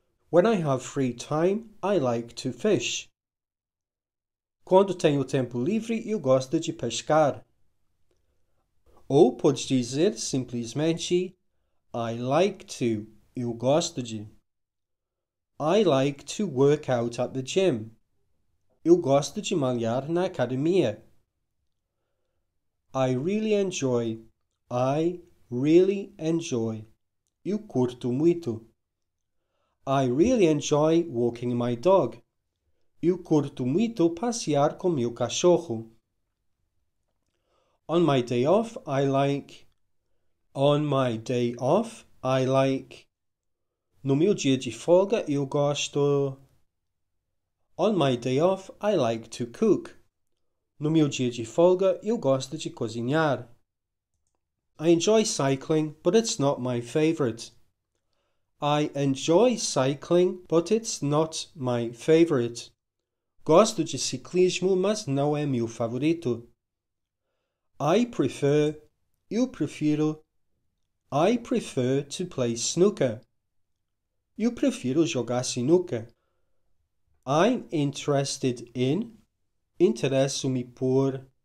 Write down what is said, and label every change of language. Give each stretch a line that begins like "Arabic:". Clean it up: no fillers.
English: When I have free time, I like to fish.
Portuguese: Quando tenho tempo livre, eu gosto de pescar. Ou pode dizer simplesmente
English: I like to,
Portuguese: eu gosto de.
English: I like to work out at the gym.
Portuguese: Eu gosto de malhar na academia.
English: I really enjoy. I really enjoy.
Portuguese: Eu curto muito.
English: I really enjoy walking my dog.
Portuguese: Eu curto muito passear com meu cachorro.
English: On my day off, I like. On my day off, I like.
Portuguese: No meu dia de folga, eu gosto.
English: On my day off, I like to cook.
Portuguese: No meu dia de folga, eu gosto de cozinhar.
English: I enjoy cycling, but it's not my favorite. I enjoy cycling, but it's not my favorite.
Portuguese: Gosto de ciclismo, mas não é meu favorito.
English: I prefer,
Portuguese: eu prefiro.
English: I prefer to play snooker.
Portuguese: Eu prefiro jogar sinuca.
English: I'm interested in,
Portuguese: interesso-me por.